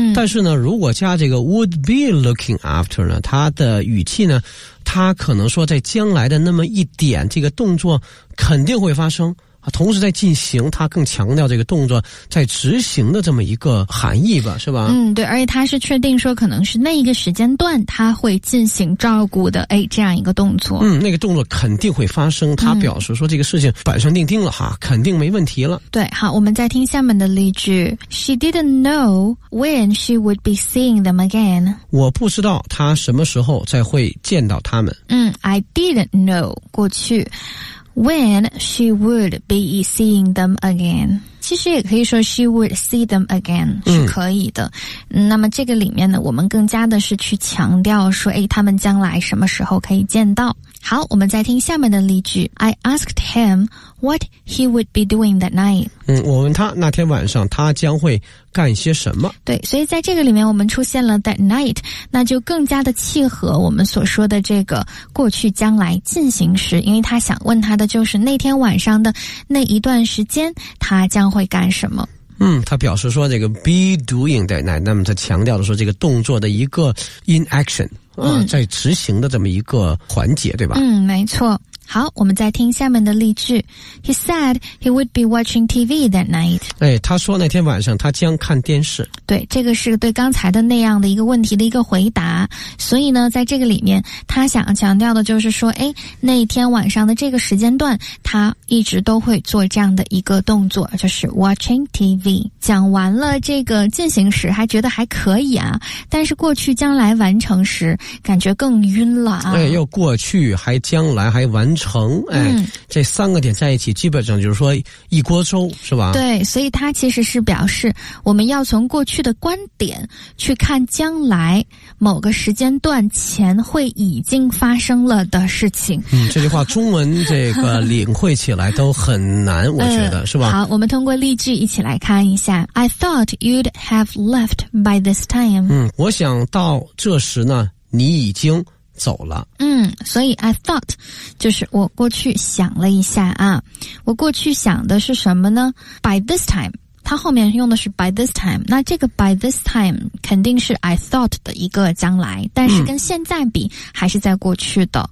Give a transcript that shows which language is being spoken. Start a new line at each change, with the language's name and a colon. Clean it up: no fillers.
Chinese: 但是呢如果加这个 would be looking after 呢，他的语气呢他可能说在将来的那么一点，这个动作肯定会发生，同时在进行，他更强调这个动作在执行的这么一个含义吧，是吧？嗯，对，而且他是确定说可能是那一个时间段他会进行照顾的，哎，这样一个动作。嗯，那个动作肯定会发生，他表示说这个事情板上钉钉了哈，肯定没问题了。对，好，我们再听下面的例句。
English: She didn't know when she would be seeing them again。
Chinese: 我不知道他什么时候再会见到他们。
English: 嗯， I didn't know
Chinese: 过去
English: When she would be seeing them again.
Chinese: 其实也可以说
English: she would see them again,
Chinese: 是可以的。那么这个里面呢我们更加的是去强调说，哎，他们将来什么时候可以见到。好，我们再听下面的例句。
English: I asked him what he would be doing that night.
Chinese: 我问他那天晚上他将会干些什么。对，所以在这个里面我们出现了
English: that night,
Chinese: 那就更加的契合我们所说的这个过去将来进行时，因为他想问他的就是那天晚上的那一段时间他将会干什么。嗯，他表示说这个
English: be doing that night,
Chinese: 那么他强调的说这个动作的一个
English: in action,
Chinese: 在执行的这么一个环节，对吧？嗯，没错。好，我们再听下面的例句。
English: He said he would be watching TV that night.
Chinese: 哎，他说那天晚上他将看电视。对，这个是对刚才的那样的一个问题的一个回答。所以呢，在这个里面，他想强调的就是说，哎，那天晚上的这个时间段，他一直都会做这样的一个动作，就是
English: watching TV。
Chinese: 讲完了这个进行时，还觉得还可以啊，但是过去将来完成时，感觉更晕了啊。哎，又过去，还将来，还完成，哎，这三个点在一起基本上就是说一锅粥是吧？对，所以它其实是表示我们要从过去的观点去看将来某个时间段前会已经发生了的事情。嗯，这句话中文这个领会起来都很难我觉得是吧。好，我们通过例句一起来看一下。
English: I thought you'd have left by this time.
Chinese: 嗯，我想到这时呢你已经走了。嗯，所以
English: I thought
Chinese: 就是我过去想了一下啊，我过去想的是什么呢？
English: By this time，
Chinese: 它后面用的是
English: by this time，
Chinese: 那这个 by this time 肯定是
English: I thought
Chinese: 的一个将来，但是跟现在比还是在过去的。